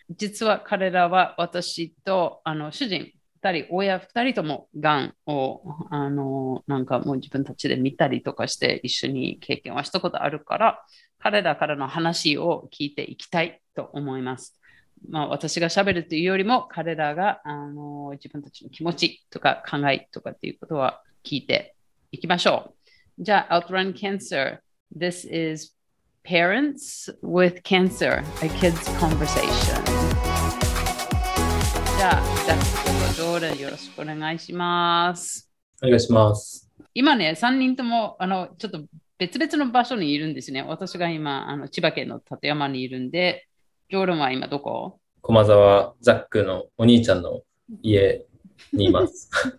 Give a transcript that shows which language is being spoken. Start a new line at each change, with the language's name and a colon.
Japanese: 実は彼らは私とあの主人、2人、親2人ともがんをあのなんかもう自分たちで見たりとかして一緒に経験はしたことあるから、彼らからの話を聞いていきたいと思います。まあ、私が喋るというよりも彼らが自分たちの気持ちとか考えとかっていうことは聞いていきましょう。じゃあ
English: Outrun Cancer. This is Parents with Cancer, a Kids Conversation.
Japanese: じゃあザックとジョーダンよろしくお願いします。お願いします。今ね3人ともちょっと別々の場所にいるんですね。私が今千葉県の館山にいるんで、ジョーダンは今どこ？駒沢、ザックのお兄ちゃんの家にいます。